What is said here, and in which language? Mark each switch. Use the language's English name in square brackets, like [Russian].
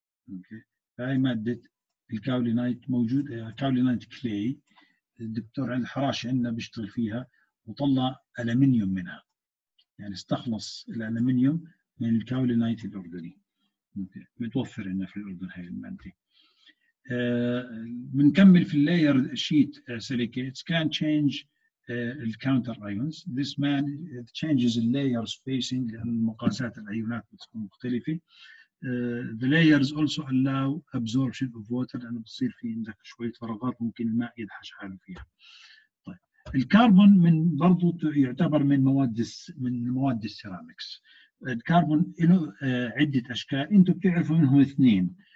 [Arabic] اوكي، هاي ماده الكاولينايت موجود، كاولينايت كلي، الدكتور عند الحراش عندنا بيشتغل فيها وطلع الومنيوم منها، يعني استخلص الالومنيوم من الكاولينايت الاردني. اوكي، متوفر عندنا في الاردن هاي الماده. بنكمل في اللاير شيت سيليكيتس، كان تشينج الكاونتر ايونز. [English] This man changes the layer spacing، [Arabic] لأن مقاسات الأيونات بتكون مختلفة. [English] The layers also allow absorption of water، [Arabic] لأنه بتصير في عندك شوية فراغات ممكن الماء يدحش حاله فيها. الكربون من برضو يعتبر من مواد السيراميكس. الكربون له عدة أشكال، أنتم بتعرفوا منهم اثنين.